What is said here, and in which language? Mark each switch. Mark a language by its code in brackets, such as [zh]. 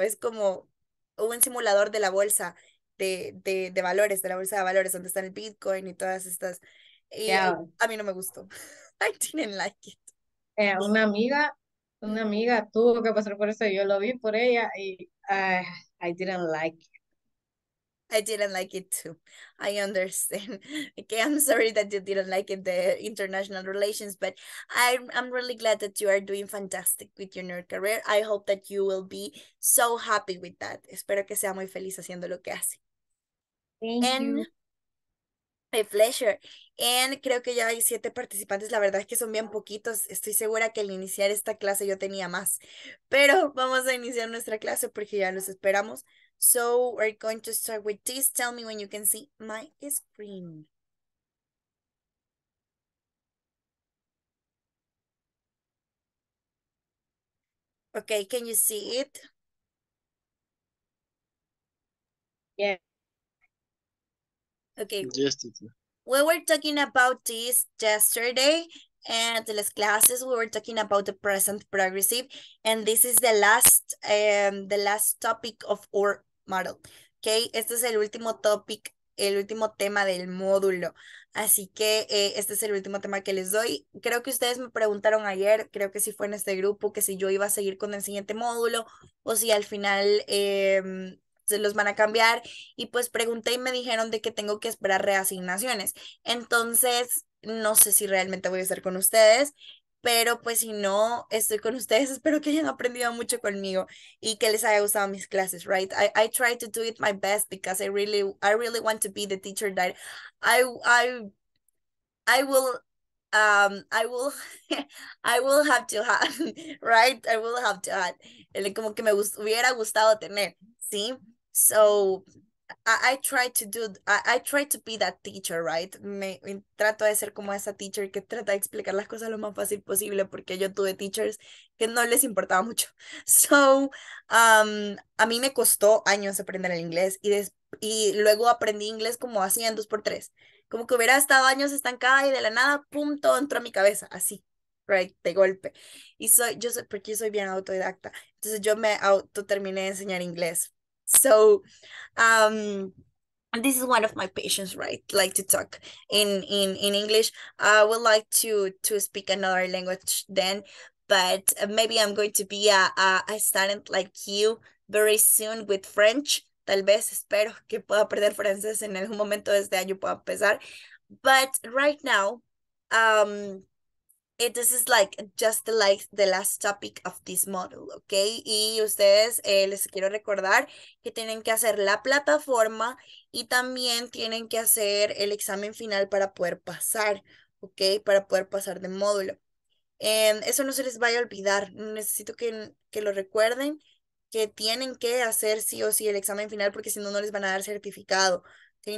[es] Es como un simulador de la bolsa. De valores, de la bolsa de valores, donde están el Bitcoin y todas estas. Y [en] Yeah. [es] a mí no me gustó. [en] I didn't like it. [es] Una amiga tuvo que pasar por eso y yo lo vi por ella y [en] I didn't like it. I didn't like it too. I understand. Okay, I'm sorry that you didn't like it, the international relations, but I'm really glad that you are doing fantastic with your new career. I hope that you will be so happy with that. [es] Espero que sea muy feliz haciendo lo que hace. [en] Thank you. My pleasure. And [es] creo que ya hay 7 participantes. La verdad es que son bien poquitos. Estoy segura que al iniciar esta clase yo tenía más. Pero vamos a iniciar nuestra clase porque ya los esperamos. [en] So we're going to start with this. Tell me when you can see my screen. Okay, can you see it? Yeah. Okay. Yes, teacher. We were talking about this yesterday. And the last classes, we were talking about the present progressive. And this is the last topic of our model. Okay, [es] este es el último [en] topic [es] el último tema del módulo. Así que este es el último tema que les doy. Creo que ustedes me preguntaron ayer, creo que si fue en este grupo, que si yo iba a seguir con el siguiente módulo o si al final se los van a cambiar. Y pues pregunté y me dijeron de que tengo que esperar reasignaciones. Entonces, no sé si realmente voy a estar con ustedes. Pero pues si no estoy con ustedes, espero que hayan aprendido mucho conmigo y que les haya gustado mis clases, [en] right? I try to do it my best because I really want to be the teacher that I will have to have, right? I will have to have. [es] Como que me hubiera gustado tener, ¿sí? [en] So I try to be that teacher, right? [es] Me trato de ser como esa teacher que trata de explicar las cosas lo más fácil posible porque yo tuve teachers que no les importaba mucho. [en] So, [es] a mí me costó años aprender el inglés y luego aprendí inglés como así en 2x3. Como que hubiera estado años estancada y de la nada, pum, todo entró a mi cabeza, así. [en] Right, [es] de golpe. Y soy, yo soy, porque yo soy bien autodidacta. Entonces yo me auto terminé de enseñar inglés. [en] So, this is one of my passions, right? Like to talk in English. I would like to speak another language then, but maybe I'm going to be a student like you very soon with French. [es] Tal vez espero que pueda aprender francés en algún momento de este año pueda empezar. [en] But right now, this is like just like the last topic of this module, okay? [es] Y ustedes, les quiero recordar que tienen que hacer la plataforma y también tienen que hacer el examen final para poder pasar, [en] okay? [es] Para poder pasar de módulo. Eso no se les vaya a olvidar. Necesito que lo recuerden que tienen que hacer sí o sí el examen final porque si no, no les van a dar certificado, [en] okay?